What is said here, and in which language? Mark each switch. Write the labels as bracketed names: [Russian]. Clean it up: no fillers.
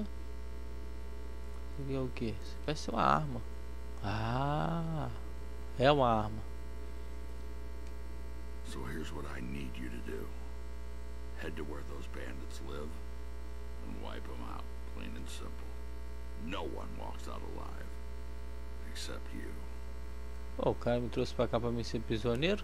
[Portuguese] Isso aqui é o quê? Isso parece ser uma arma. Ah! É uma arma. [English] So here's what I need you to do. Head to where those bandits live and wipe them out, plain and simple. No one walks out alive except you. [Portuguese] Pô, o cara me trouxe pra cá pra mim ser prisioneiro?